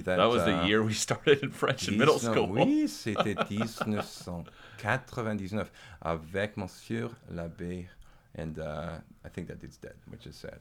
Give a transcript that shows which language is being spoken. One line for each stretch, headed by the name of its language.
English: that was the year we started in French in middle school.
French: Oui, c'était 1999 avec Monsieur l'Abbé.
English: And I think that dude's dead, which is sad.